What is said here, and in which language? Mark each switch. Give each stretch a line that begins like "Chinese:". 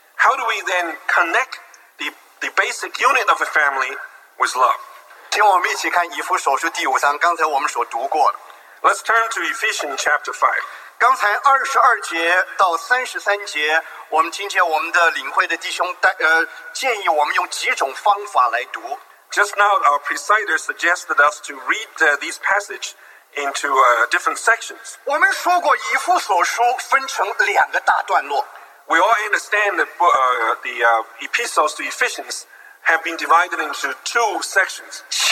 English: How do we then connect the basic unit of a family with love?
Chinese: 听我们一起看以弗所书第五章，刚才我们所读过的。
English: Let's turn to Ephesians chapter 5.
Chinese: 刚才22节到33节，我们今天我们的领会的弟兄建议我们用几种方法来读。
English: Just now, our presider suggested us to read these passages into different sections.
Chinese: 我们说过以弗所书分成两个大段落。
English: We all understand that the epistles to Ephesians have been divided into two sections.